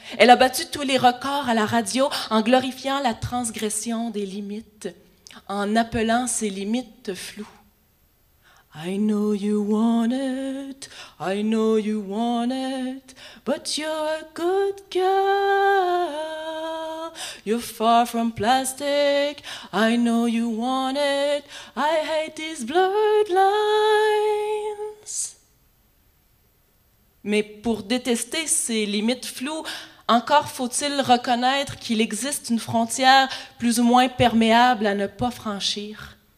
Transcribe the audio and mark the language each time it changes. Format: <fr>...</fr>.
<fr>Elle a battu tous les records à la radio en glorifiant la transgression des limites, en appelant ses limites floues.</fr> <en>I know you want it, I know you want it, but you're a good girl. You're far from plastic, I know you want it, I hate these blurred lines.</en> <fr>Mais pour détester ces limites floues, encore faut-il reconnaître qu'il existe une frontière plus ou moins perméable à ne pas franchir.</fr>